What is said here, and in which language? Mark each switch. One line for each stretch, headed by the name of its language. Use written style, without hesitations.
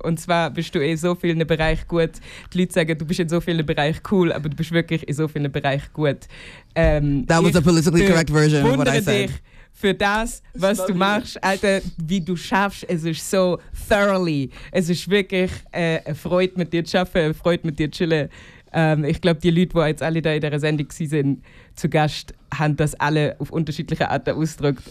German: Und zwar bist du in so vielen Bereichen gut. Die Leute sagen, du bist in so vielen Bereichen cool, aber du bist wirklich in so vielen Bereichen gut.
English: That was a politically correct version of what I said.
German: Dich für das, was du machst, Alter, wie du schaffst, es ist so thoroughly. Es ist wirklich eine Freude, mit dir zu arbeiten, eine Freude, mit dir zu chillen. Ich glaube, die Leute, die jetzt alle da in dieser Sendung waren, zu Gast, haben das alle auf unterschiedliche Arten ausgedrückt.